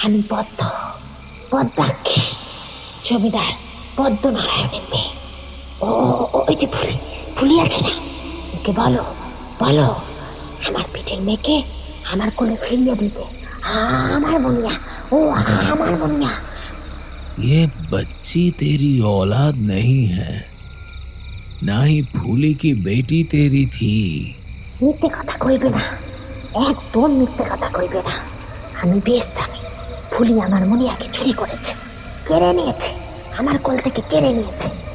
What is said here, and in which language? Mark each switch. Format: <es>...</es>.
<bn>পদ্ম, পদ্মাক্ষী জমিদার পদ্মনারায়ণের মেয়ে, ফুলি ফুলি আছে না, বলো বলো আমার পিঠের মেয়েকে আমার কোলে ফিরিয়ে দিতে, আমার বনিয়া, ও আমার বনিয়া।</bn> <hi>ये बच्ची तेरी औलाद नहीं है, ना ही फूली की बेटी तेरी थी।</hi> <bn>মিথ্যে কথা কইবে না, এক বোন মিথ্যে কথা কইবে না। আমি বেশ জানি ফুলি আমার মনিয়াকে চুরি করেছে, কেড়ে নিয়েছে, আমার কোল থেকে কেড়ে নিয়েছে।</bn>